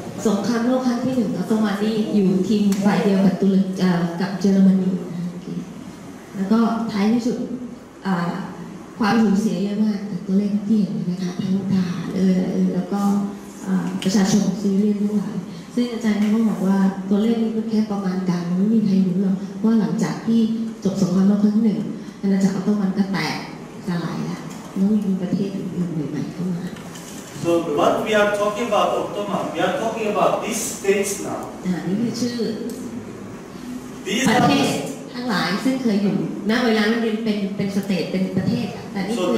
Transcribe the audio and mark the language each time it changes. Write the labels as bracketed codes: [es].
[th] สงครามโลกครั้งที่หนึ่งออตโตมันนี่อยู่ทีมฝ่ายเดียวกับตุรกีกับเยอรมนีแล้วก็ท้ายที่สุดความสูญเสียเยอะมากแต่ตัวเลขที่เห็นนะคะทั้งทหารแล้วก็ประชาชนซีเรียทั้งหลายซึ่งอาจารย์ก็บอกว่าตัวเลขนี้มันแค่ประมาณการไม่มีใครรู้หรอกว่าหลังจากที่จบสงครามโลกครั้งหนึ่งอาณาจักรออตโตมันก็แตกสลายแล้วแล้วมีประเทศอื่นๆใหม่ๆเข้ามา [en] So what we are talking about Ottoman we are talking about these states now [th] นี่คือชื่ อประเทศทั้งหลายซึ่งเคยอยู่ณเวลานั้นเป็นสเตทเป็นประเทศแต่นี่คือ